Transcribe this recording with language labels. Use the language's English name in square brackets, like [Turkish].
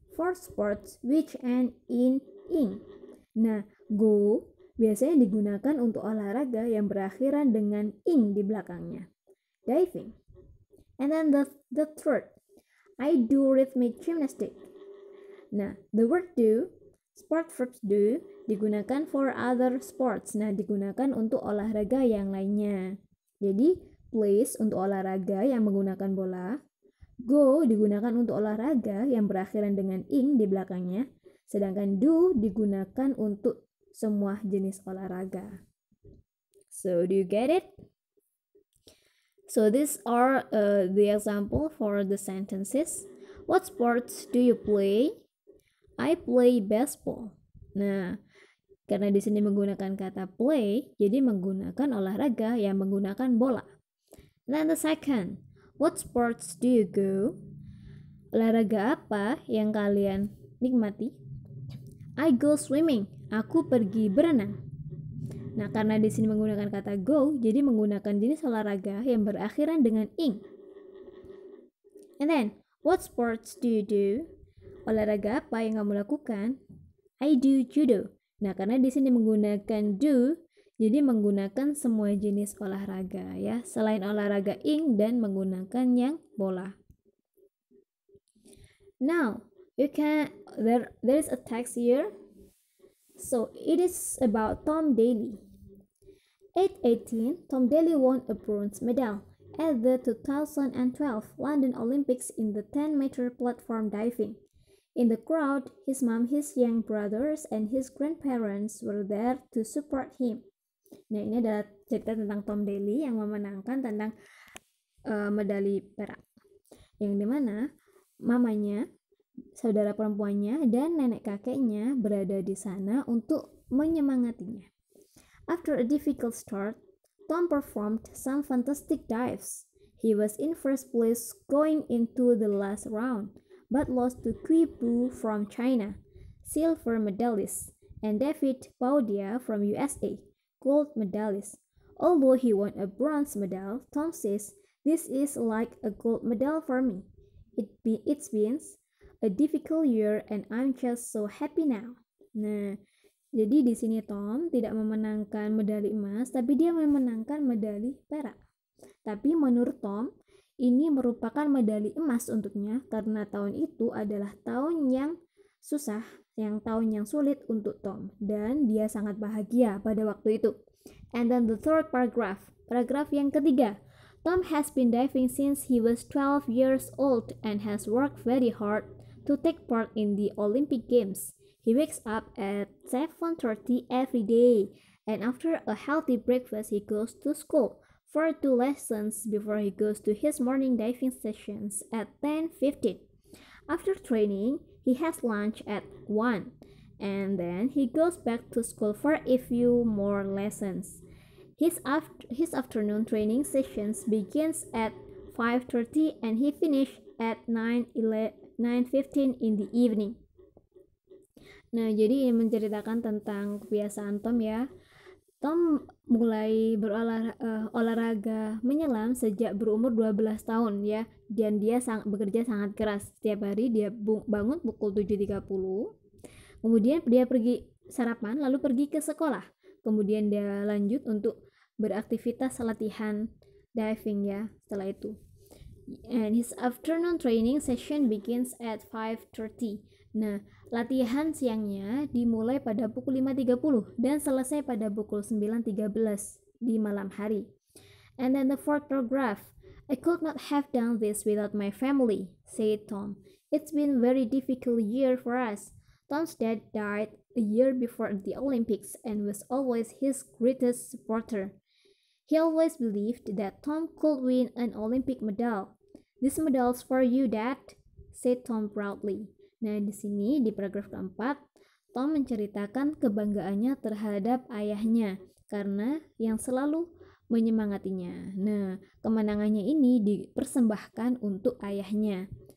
[English] For sports which end in. [Indonesian] Nah, go biasanya digunakan untuk olahraga yang berakhiran dengan ing di belakangnya. Diving. [English] And then the third, I do rhythmic gymnastics. Nah, the word do Sport verbs do [Indonesian] digunakan [English] for other sports. [Indonesian] Nah, digunakan untuk olahraga yang lainnya. Jadi, plays untuk olahraga yang menggunakan bola. Go digunakan untuk olahraga yang berakhiran dengan ing di belakangnya. Sedangkan do digunakan untuk semua jenis olahraga. [English] So, do you get it? So, these are the example for the sentences. What sports do you play? I play baseball. [Indonesian] Nah, karena di sini menggunakan kata play, jadi menggunakan olahraga yang menggunakan bola. [English] Then the second, what sports do you go? [Indonesian] Olahraga apa yang kalian nikmati? [English] I go swimming. [Indonesian] Aku pergi berenang. Nah, karena di sini menggunakan kata go, jadi menggunakan jenis olahraga yang berakhiran dengan ing. [English] And then, what sports do you do? [Indonesian] Olahraga apa yang kamu lakukan? [English] I do judo. [Indonesian] Nah, karena di sini menggunakan do, jadi menggunakan semua jenis olahraga ya, selain olahraga ing dan menggunakan yang bola. [English] Now, there is a text here. So, it is about Tom Daley. 8/18, Tom Daley won a bronze medal at the 2012 London Olympics in the 10-meter platform diving. In the crowd, his mom, his young brothers, and his grandparents were there to support him. [Indonesian] Nah, ini adalah cerita tentang Tom Daley yang memenangkan tentang medali perak. Yang dimana mamanya, saudara perempuannya, dan nenek kakeknya berada di sana untuk menyemangatinya. [English] After a difficult start, Tom performed some fantastic dives. He was in first place going into the last round, but lost to Kui Pu from China, silver medalist, and David Baudia from USA, gold medalist. Although he won a bronze medal, Tom says, "This is like a gold medal for me. It's been a difficult year and I'm just so happy now." [Indonesian] Nah, jadi di sini Tom tidak memenangkan medali emas, tapi dia memenangkan medali perak. Tapi menurut Tom, ini merupakan medali emas untuknya karena tahun itu adalah tahun yang susah, yang tahun yang sulit untuk Tom. Dan dia sangat bahagia pada waktu itu. [English] And then the third paragraph. [Indonesian] Paragraf yang ketiga. [English] Tom has been diving since he was 12 years old and has worked very hard to take part in the Olympic Games. He wakes up at 7:30 every day, and after a healthy breakfast, he goes to school for two lessons before he goes to his morning diving sessions at 10:15. After training, he has lunch at 1, and then he goes back to school for a few more lessons. His afternoon training sessions begins at 5:30, and he finishes at 9:15 in the evening. [Indonesian] Nah, jadi ini menceritakan tentang kebiasaan Tom ya. Tom mulai olahraga menyelam sejak berumur 12 tahun ya. Dan dia bekerja sangat keras. Setiap hari dia bangun pukul 7.30. Kemudian dia pergi sarapan, lalu pergi ke sekolah. Kemudian dia lanjut untuk beraktivitas latihan diving ya setelah itu. [English] And his afternoon training session begins at 5:30. [Indonesian] Nah, latihan siangnya dimulai pada pukul 5:30 dan selesai pada pukul 9:13 di malam hari. [English] And then the fourth paragraph. I could not have done this without my family, said Tom. It's been a very difficult year for us. Tom's dad died a year before the Olympics and was always his greatest supporter. He always believed that Tom could win an Olympic medal. This medal's for you, Dad, said Tom proudly. [Indonesian] Nah, di sini di paragraf keempat, Tom menceritakan kebanggaannya terhadap ayahnya karena yang selalu menyemangatinya. Nah, kemenangannya ini dipersembahkan untuk ayahnya.